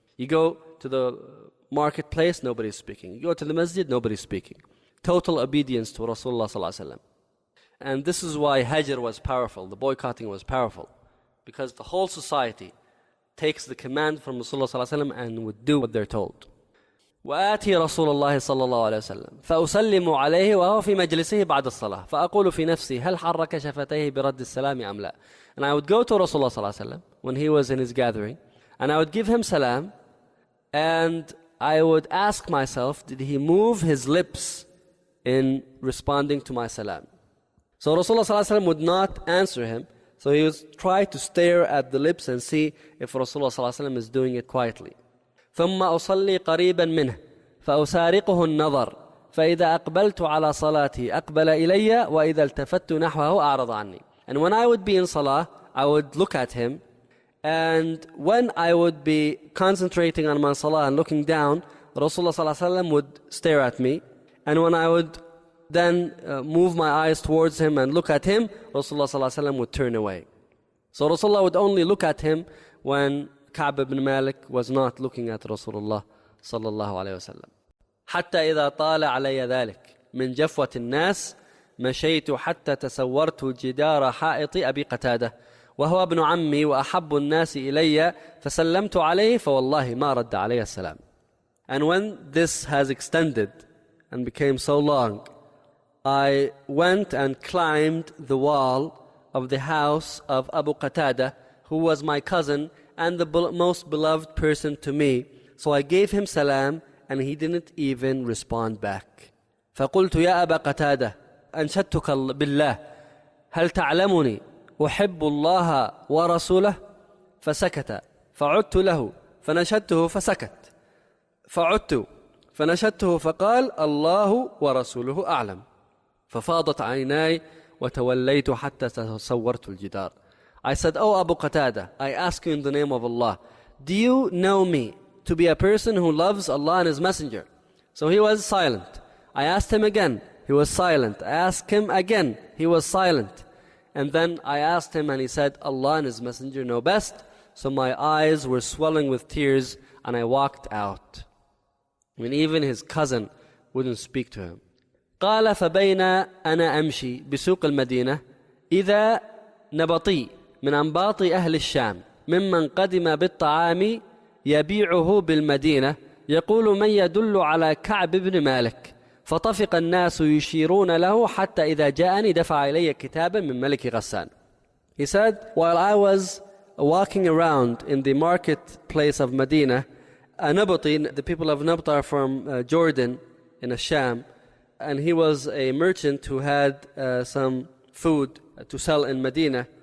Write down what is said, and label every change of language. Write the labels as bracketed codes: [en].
[en] You go to the marketplace, nobody's speaking. You go to the masjid, nobody's speaking. Total obedience to Rasulullah sallallahu alaihi wasallam. And this is why Hajr was powerful. The boycotting was powerful. Because the whole society takes the command from Rasulullah sallallahu alaihi wasallam and would do what they're told. [ar] وآتي رسول الله صلى الله عليه وسلم فأسلم عليه وهو في مجلسه بعد الصلاة فأقول في نفسي هل حرك شفتيه برد السلام أم لا. [en] And I would go to Rasulullah صلى الله عليه وسلم when he was in his gathering and I would give him salam and I would ask myself, did he move his lips in responding to my salam? So Rasulullah صلى الله عليه وسلم would not answer him, So he was trying to stare at the lips and see if Rasulullah صلى الله عليه وسلم is doing it quietly. [ar] ثُمَّ أُصَلِّي قَرِيبًا مِنْهِ فَأُسَارِقُهُ النَّظَرِ فَإِذَا أَقْبَلْتُ عَلَى صَلَاتِهِ أَقْبَلَ إِلَيَّ وَإِذَا الْتَفَتُّ نَحْوَهُ أَعْرَضَ عَنِّي. [en] And when I would be in salah, I would look at him. And when I would be concentrating on my salah and looking down, Rasulullah صلى الله عليه وسلم would stare at me. And when I would then move my eyes towards him and look at him, Rasulullah صلى الله عليه وسلم would turn away. So Rasulullah would only look at him when Ka'b ibn Malik was not looking at Rasulullah صلى الله عليه وسلم. [ar] حتى إذا طال علي ذلك من جفوة الناس مشيت حتى تسورت جدار حائط أبي قتادة وهو ابن عمي وأحب الناس إلي فسلمت عليه فوالله ما رد علي السلام. [en] And when this has extended and became so long, I went and climbed the wall of the house of Abu Qatada, who was my cousin and the most beloved person to me. So I gave him salam and he didn't even respond back. [ar] فَقُلْتُ يَا أَبَا قَتَادَ أَنْشَدْتُكَ بِاللَّهِ هَلْ تَعْلَمُنِي أُحِبُّ اللَّهَ وَرَسُولَهُ فَسَكَتَ فَعُدْتُ لَهُ فَنَشَدْتُهُ فَسَكَتْ فَعُدْتُ فَنَشَدْتُهُ فَقَالَ اللَّهُ وَرَسُولُهُ أَعْلَمُ فَفَاضَتْ عَيْنَاي وَتَوَلَّيْتُ حَتَّى تَصَوَّرْتُ الْجِدَارِ. [en] I said, O Abu Qatada, I ask you in the name of Allah, do you know me to be a person who loves Allah and His Messenger? So he was silent. I asked him again, he was silent. I asked him again, he was silent. And then I asked him and he said, Allah and His Messenger know best. So my eyes were swelling with tears and I walked out. I mean, even his cousin wouldn't speak to him. [ar] قال فبين أنا أمشي بسوق المدينة إذا نبطي من أنباط أهل الشام ممن قدم بالطعام يبيعه بالمدينة يقول من يدل على كعب بن مالك فطفق الناس يشيرون له حتى إذا جاءني دفع إلي كتابا من ملك غسان. [en] He said, while I was walking around in the marketplace of Medina, Nabati, the people of Nabta are from Jordan in Sham, and he was a merchant who had some food to sell in Medina.